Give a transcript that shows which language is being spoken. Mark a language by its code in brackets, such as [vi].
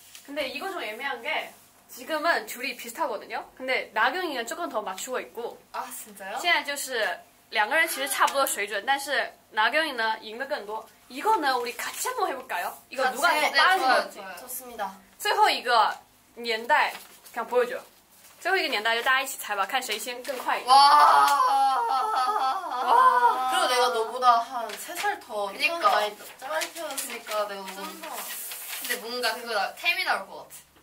[ko] 근데 이거 좀 애매한 게 지금은 둘이 비슷하거든요? 근데 나경이는 조금 더 맞추고 있고. 아, 진짜요? [zh] 现在就是两个人其实差不多水准但是 나경이는 赢得更多. [ko] 이거는 우리 같이 한번 해볼까요? 이거 같이, 누가 더 빠른 건지. 좋습니다. [zh] 最后一个年代 [ko] 그냥 보여줘. [zh] 最后一个年代就大家一起猜吧看谁先更快. [ko] 와, 와, 와, 그리고 내가 너보다 한 3살 더 그러니까 짧은 편이니까 내가 너무 좀 더. 근데 뭔가 그거 템이 나올 것 같아.